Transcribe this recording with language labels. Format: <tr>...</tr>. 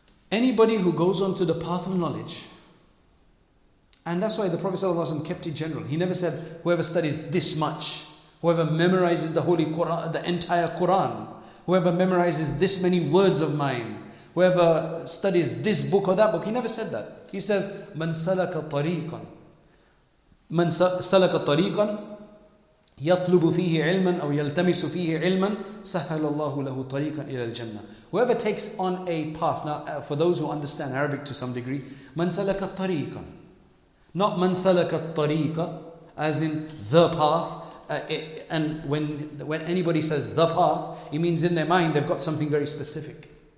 <en>Anybody who goes onto the path of knowledge, and that's why the Prophet ﷺ kept it general. He never said, whoever studies this much, whoever memorizes the Holy Quran, the entire Quran, whoever memorizes this many words of mine, whoever studies this book or that book, he never said that. He says,</en> <ar>من سلك طريقا من سلك طريقا يطلب فيه علما أو يلتمس فيه علما سهل الله له طريقا إلى الجنة.</ar> <en>Whoever takes on a path, now for those who understand Arabic to some degree,</en> <ar>من سلك طريقا,</ar> <en>not</en> <ar>من سلك الطريق,</ar> <en>as in the path. And when anybody says the path, it means in their mind they've got something very specific.</en>